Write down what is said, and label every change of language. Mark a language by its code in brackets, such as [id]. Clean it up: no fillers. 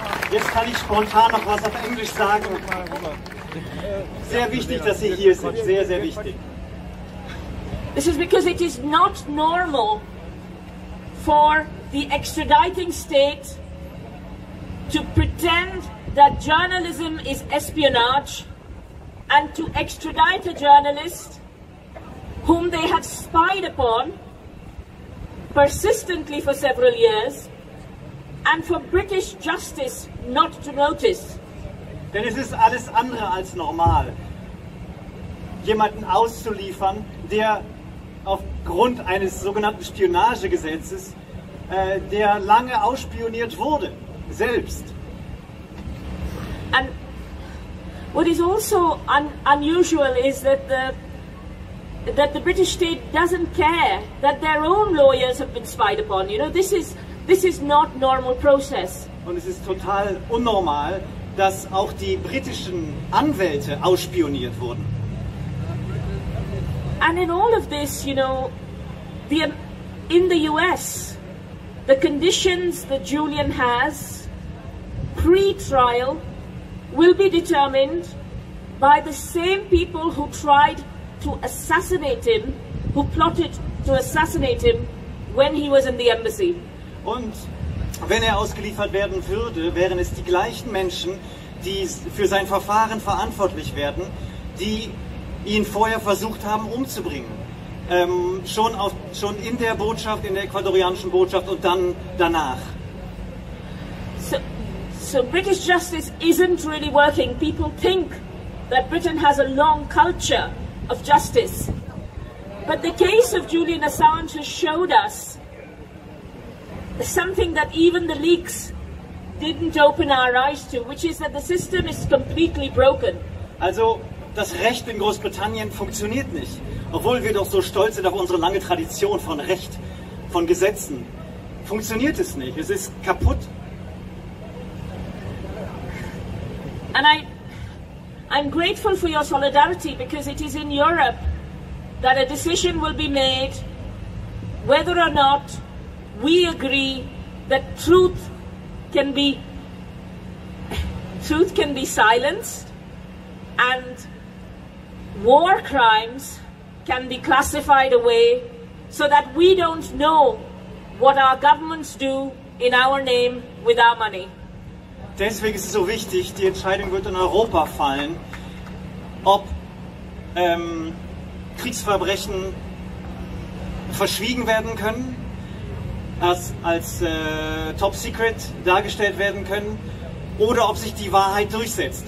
[de] Jetzt kann ich spontan noch was auf Englisch sagen. Sehr wichtig, dass Sie hier sind. Sehr, sehr wichtig. [en] This is because it is not normal for the extraditing state to pretend that journalism is espionage and to extradite a journalist whom they have spied upon persistently for several years and for British justice not to notice. [de] Denn es ist alles andere als normal, jemanden auszuliefern, der aufgrund eines sogenannten Spionagegesetzes, der lange ausspioniert wurde, selbst. [en] And what is also unusual is that the British state doesn't care that their own lawyers have been spied upon. You know, this is not normal process. [de] Und es ist total unnormal, dass auch die britischen Anwälte ausspioniert wurden. [en] And in all of this, you know, in the US, the conditions that Julian has pre-trial will be determined by the same people who tried to assassinate him, who plotted to assassinate him when he was in the embassy. [de] Und wenn er ausgeliefert werden würde, wären es die gleichen Menschen, die für sein Verfahren verantwortlich werden, die ihn vorher versucht haben umzubringen. Schon in der Botschaft, in der ecuadorianischen Botschaft und dann danach. [en] So British justice isn't really working. People think that Britain has a long culture of justice. But the case of Julian Assange has showed us something that even the leaks didn't open our eyes to, which is that the system is completely broken. [de] Also, das Recht in Großbritannien funktioniert nicht, obwohl wir doch so stolz sind auf unsere lange Tradition von Recht, von Gesetzen. Funktioniert es nicht, es ist kaputt. [en] And I'm grateful for your solidarity, because it is in Europe that a decision will be made whether or not we agree that truth can be silenced and war crimes can be classified away so that we don't know what our governments do in our name with our money. [de] Deswegen ist es so wichtig, die Entscheidung wird in Europa fallen, ob Kriegsverbrechen verschwiegen werden können, als Top Secret dargestellt werden können oder ob sich die Wahrheit durchsetzt.